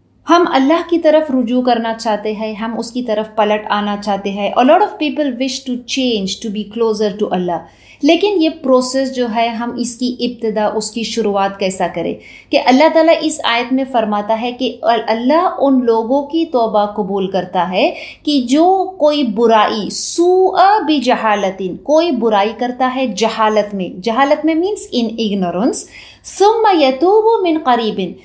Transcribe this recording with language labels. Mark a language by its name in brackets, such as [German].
[Urdu] ہم اللہ کی طرف رجوع کرنا چاہتے ہیں، ہم اس کی طرف پلٹ آنا چاہتے ہیں. [English] A lot of people wish to change, to be closer to Allah. [Urdu] لیکن یہ پروسیس جو ہے، ہم اس کی ابتدا، اس کی شروعات کیسا کریں؟ کہ اللہ تعالیٰ اس آیت میں فرماتا ہے کہ اللہ ان لوگوں کی توبہ قبول کرتا ہے کہ جو کوئی برائی، [Arabic] سوء بجہالت، [Urdu] کوئی برائی کرتا ہے جہالت میں. جہالت میں [English] Means in ignorance. [Arabic] ثم یتوب من قریب،